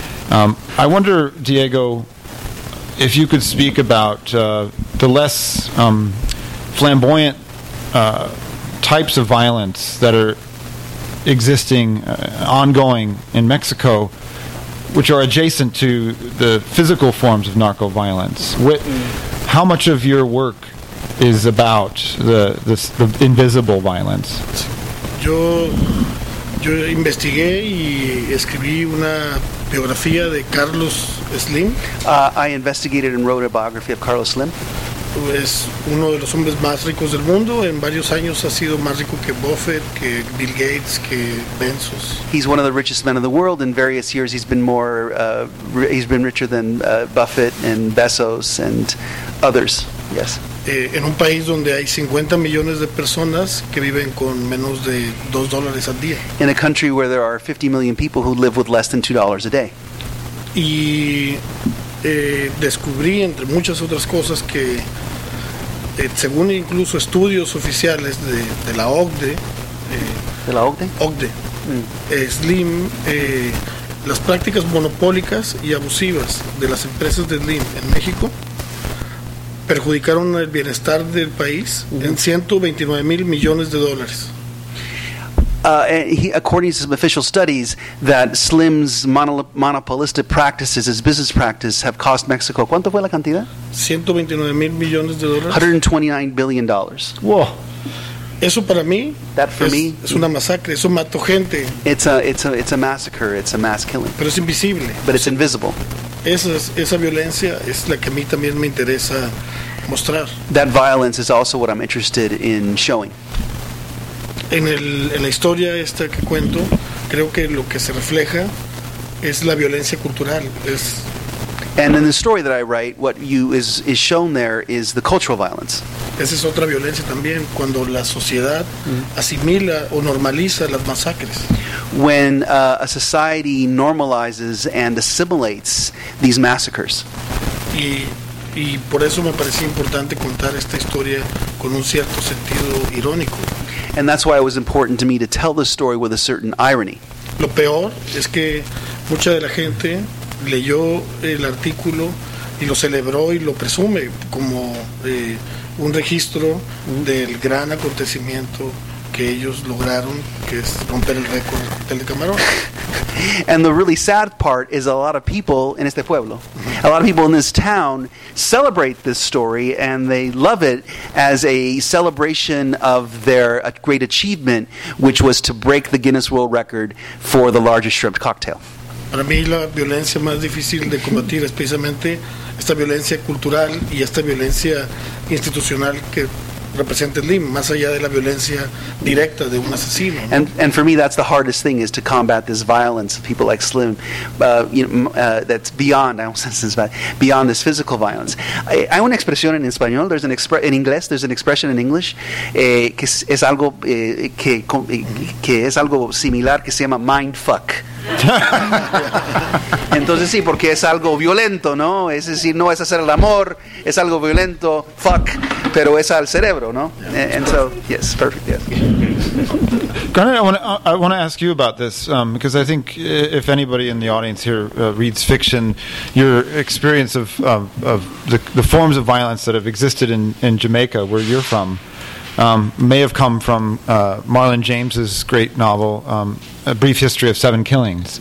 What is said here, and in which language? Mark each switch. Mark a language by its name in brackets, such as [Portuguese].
[English] I wonder, Diego, if you could speak about the less flamboyant types of violence that are existing, ongoing in Mexico, which are adjacent to the physical forms of narco-violence. How much of your work is about the invisible violence? [Spanish] Yo investigué y escribí una biografía de Carlos Slim. [English] I investigated and wrote a biography of Carlos Slim. [Spanish] Es uno de los hombres más ricos del mundo. En varios años ha sido más rico que Buffett, que Bill Gates, que Bezos. [English] He's one of the richest men in the world. In various years, he's been richer than Buffett and Bezos and others. Yes. [Spanish] En un país donde hay 50 millones de personas que viven con menos de $2 al día. [English] In a country where there are 50 million people who live with less than $2 a day. [Spanish] Y descubrí, entre muchas otras cosas, que según incluso estudios oficiales de la OCDE. ¿De la OCDE? OCDE. Slim, las prácticas monopólicas y abusivas de las empresas de Slim en México perjudicaron el bienestar del país en $129 million. [English] According to some official studies, that Slim's monopolistic practices, his business practice, have cost Mexico. [Spanish] ¿Cuánto fue la cantidad? [English] $129 million. $129 billion. Whoa. [Spanish] Eso para mí. [English] That for me. [Spanish] Es una masacre. Eso mató gente. [English] It's a massacre. It's a mass killing. [Spanish] Pero es invisible. [English] But it's invisible. [Spanish] Esa violencia es la que a mí también me interesa mostrar. [English] That violence is also what I'm interested in showing. [Spanish] En la historia esta que cuento, creo que lo que se refleja es la violencia cultural. [English] And in the story that I write, what is shown there is the cultural violence. [Spanish] Esa es otra violencia también, cuando la sociedad asimila o normaliza las masacres. [English] When a society normalizes and assimilates these massacres. [Spanish] Y por eso me parecía importante contar esta historia con un cierto sentido irónico. [English] And that's why it was important to me to tell the story with a certain irony. [Spanish] Lo peor es que mucha de la gente leyó el artículo y lo celebró y lo presume como un registro del gran acontecimiento que ellos lograron, que es romper el récord del camarón. [English] And the really sad part is a lot of people in [Spanish] este pueblo, [English] a lot of people in this town celebrate this story and they love it as a celebration of their great achievement, which was to break the Guinness World Record for the largest shrimp cocktail. [Spanish] Para mí la violencia más difícil de combatir es precisamente esta violencia cultural y esta violencia institucional que representa Slim, más allá de la violencia directa de un asesino. [English] And for me, that's the hardest thing, is to combat this violence of people like Slim, that's beyond, I don't sense this, but beyond this physical violence. [Spanish] Hay una expresión en español, [English] there's an expression in English, [Spanish] que es algo similar, que se llama mindfuck. Entonces sí, porque es algo violento, ¿no? Es decir, no es hacer el amor, es algo violento, fuck, pero es al cerebro, ¿no? [English] And so, yes, perfect, yes. Granted, I want to ask you about this, because I think if anybody in the audience here reads fiction, your experience of the forms of violence that have existed in Jamaica, where you're from, may have come from Marlon James's great novel, A Brief History of Seven Killings.